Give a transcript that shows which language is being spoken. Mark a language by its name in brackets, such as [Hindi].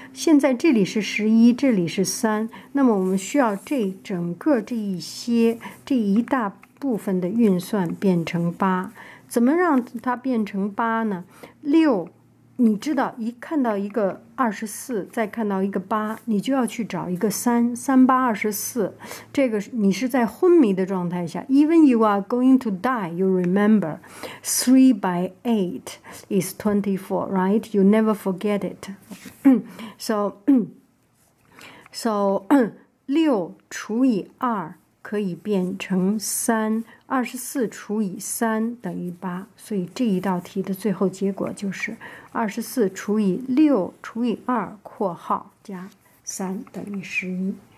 [Chinese] 现在这里是十一，这里是三，那么我们需要这整个这一些这一大部分的运算变成八。怎么让它变成八呢？六，你知道，一看到一个二十四，再看到一个八，你就要去找一个三，三八二十四。这个你是在昏迷的状态下。 [English] Even you are going to die, you remember, three by eight is 24, right? You never forget it. So [Chinese] 六除以二可以变成三，二十四除以三等于八，所以这一道题的最后结果就是二十四除以六除以二（括号加三）等于十一。